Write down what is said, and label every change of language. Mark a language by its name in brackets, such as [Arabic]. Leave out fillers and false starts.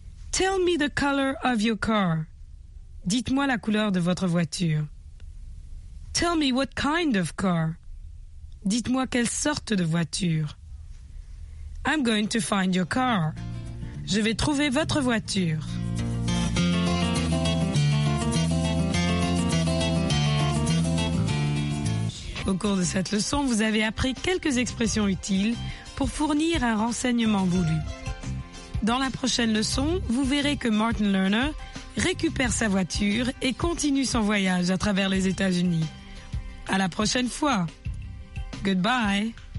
[English] Tell me the color of your car. [French] Dites-moi la couleur de votre voiture. [English] Tell me what kind of car. [French] Dites-moi quelle sorte de voiture. [English] I'm going to find your car. [French] Je vais trouver votre voiture. Au cours de cette leçon, vous avez appris quelques expressions utiles pour fournir un renseignement voulu. Dans la prochaine leçon, vous verrez que Martin Lerner récupère sa voiture et continue son voyage à travers les États-Unis. À la prochaine fois. Goodbye.